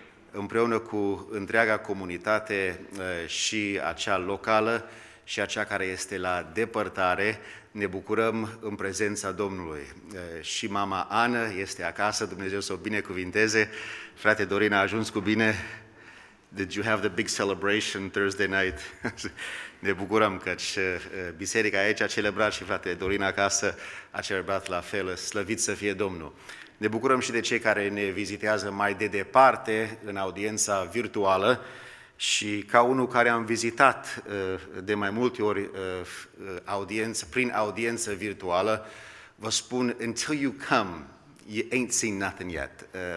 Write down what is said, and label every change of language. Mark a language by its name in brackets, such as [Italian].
[Romanian] Împreună cu întreaga comunitate și acea locală și acea care este la depărtare, ne bucurăm în prezența Domnului. Și mama Ana este acasă, Dumnezeu să o binecuvinteze. Frate Dorin a ajuns cu bine. [English] Did you have the big celebration Thursday night? [Romanian] Ne bucurăm căci biserica aici a celebrat și frate Dorin acasă a celebrat la fel. Slăvit să fie Domnul! Ne bucurăm și de cei care ne vizitează mai de departe în audiența virtuală. Și ca unul care am vizitat de mai multe ori audiență, prin audiență virtuală, vă spun, [English] until you come, you ain't seen nothing yet.